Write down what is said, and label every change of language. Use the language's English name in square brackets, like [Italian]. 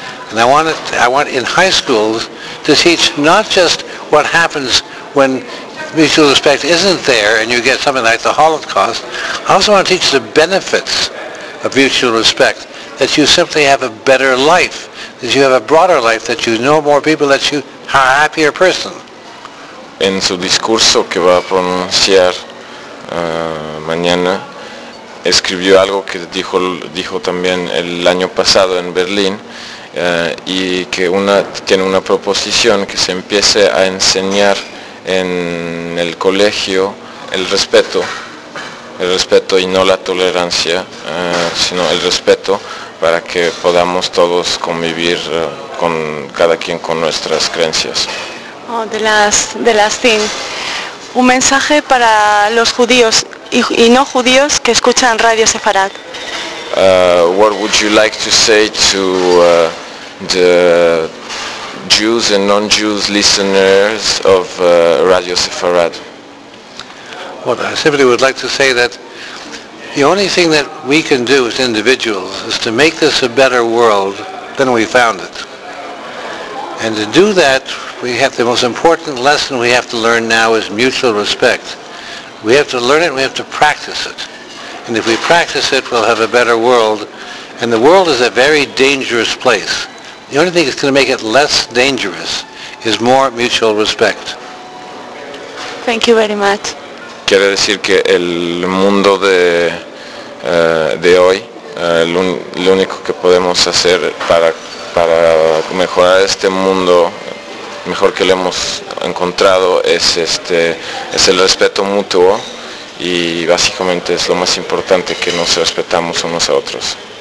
[English] And I want in high schools to teach not just what happens when mutual respect isn't there and you get something like the Holocaust. I also want to teach the benefits of mutual respect, that you simply have a better life, that you have a broader life, that you know more people, that you are a happier person. [Spanish] En su discurso que va a pronunciar mañana, escribió algo que dijo también el año pasado en Berlín, y que tiene una proposición que se empiece a enseñar en el colegio el respeto y no la tolerancia, sino el respeto, para que podamos todos convivir con cada quien con nuestras creencias. Oh, de las CIN. Un mensaje para los judíos y no judíos que escuchan Radio Sefarad. [English] What would you like to say to the Jews and non-Jews listeners of Radio Sefarad? Well, I simply would like to say that the only thing that we can do as individuals is to make this a better world then we found it. And to do that, we have the most important lesson we have to learn now is mutual respect. We have to learn it, and we have to practice it. And if we practice it, we'll have a better world. And the world is a very dangerous place. The only thing that's going to make it less dangerous is more mutual respect. Thank you very much. [Spanish] Quiere decir que el mundo de hoy, lo único que podemos hacer para mejorar este mundo mejor que lo hemos encontrado es el respeto mutuo, y básicamente es lo más importante, que nos respetamos unos a otros.